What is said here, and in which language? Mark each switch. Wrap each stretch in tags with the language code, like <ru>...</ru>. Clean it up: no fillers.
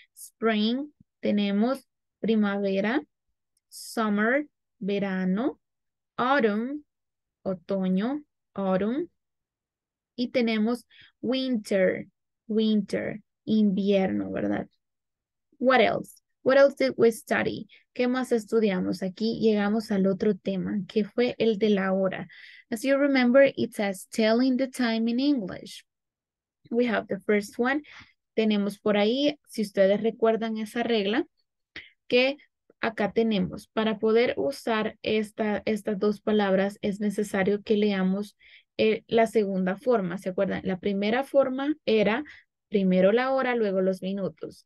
<es>Spring, tenemos primavera, summer, verano, autumn, otoño, autumn, y tenemos winter, winter, invierno, ¿verdad?</es> <en>What else? What else did we study?</en> <es>¿Qué más estudiamos? Aquí llegamos al otro tema, que fue el de la hora.</es> <en>As you remember, it says telling the time in English. We have the first one.</en> <es>Tenemos por ahí, si ustedes recuerdan esa regla, que acá tenemos, para poder usar estas dos palabras, es necesario que leamos la segunda forma. ¿Se acuerdan? La primera forma era primero la hora, luego los minutos.</es>